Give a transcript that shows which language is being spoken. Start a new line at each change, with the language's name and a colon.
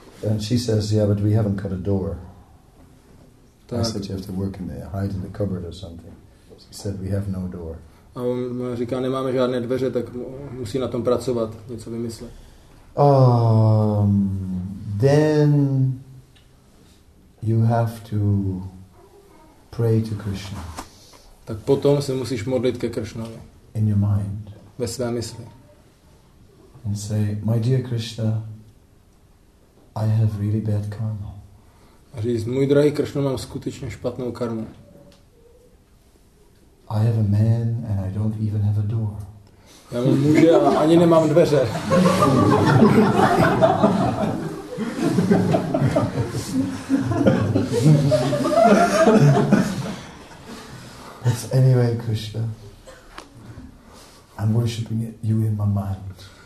English: And she says, yeah, but we haven't got a door. Tak. I said, you have to work in there, hide in the cupboard or something. She said, we have no door.
Czech: A on říká, nemáme žádné dveře, tak musí na tom pracovat, něco vymyslet.
English: Then you have to pray to Krishna.
Czech: Tak potom se musíš modlit ke Krishnovi.
English: in your mind.
Czech: Ve své mysli.
English: And say, my dear Krishna, I have really bad karma.
Czech: A říct, můj drahý Krishna, mám skutečně špatnou karmu.
English: I have a man and I don't even have a door.
Czech: Já mám muže a ani nemám dveře.
English: It's anyway, Krishna. I'm worshiping you in my mind.